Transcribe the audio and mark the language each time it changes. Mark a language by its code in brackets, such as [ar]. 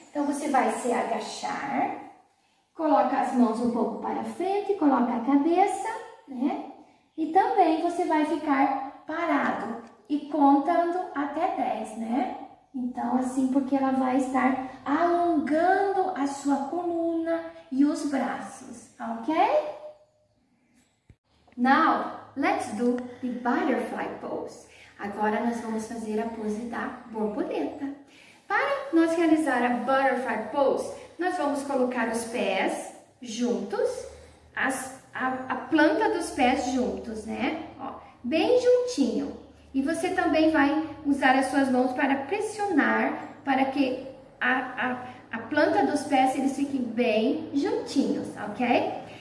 [pt] Então você vai se agachar, coloca as mãos um pouco para frente, coloca a cabeça, né? E também você vai ficar parado e contando até 10, né? Então assim, porque ela vai estar alongando a sua coluna e os braços, ok? [en] Now, let's do the butterfly pose. [pt] Agora nós vamos fazer a pose da borboleta. Para nós realizar a butterfly pose, nós vamos colocar os pés juntos, a planta dos pés juntos, né? Ó, bem juntinho. E você também vai usar as suas mãos para pressionar, para que a planta dos pés eles fiquem bem juntinhos, ok?